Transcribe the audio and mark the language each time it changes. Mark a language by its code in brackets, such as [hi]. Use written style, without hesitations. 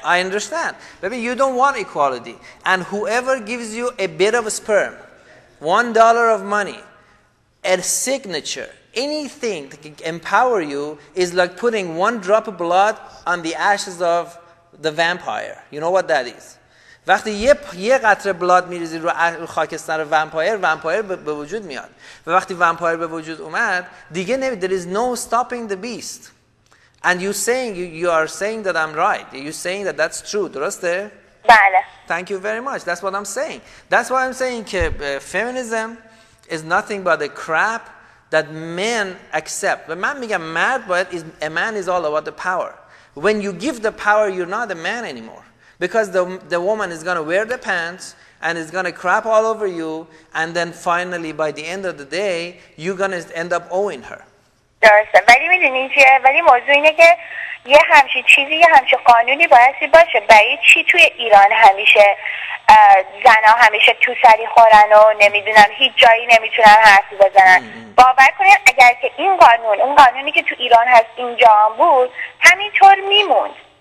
[en] I understand. Baby, you don't want equality. And whoever gives you a bit of a sperm, $1 of money, a signature, anything that can empower you is like putting one drop of blood on the ashes of the vampire. You know what that is? [fa] وقتی یه قطره بلاد میریزی رو خاکستر ومپایر به وجود میاد. و وقتی ومپایر به وجود اومد دیگه نمی، [en] there is no stopping the beast. And you saying you are saying that I'm right. You saying that that's true. [fa] درسته؟ بله. [en] Thank you very much. That's what I'm saying. That's why I'm saying که feminism is nothing but a crap that men accept. [fa] و من میگم مرد باید [en] is, a man is all about the power. When you give the power, you're not a man anymore. Because the woman is going to wear the pants and is going to crap all over you. And then finally, by the end of the day, you're going to end up owing her. [fa] درسته. ولی میدونی چیه؟ ولی موضوع اینه که یه همچی چیزی، یه همچی قانونی بایستی باشه. برای چی توی ایران همیشه زنها همیشه تو سری خورن و نمیدونن هیچ جایی نمیتونن حرفی بزنن؟ باور کنید اگر که این قانون، اون قانونی که تو ایران هست اینجا هم بود، همینطور میموند.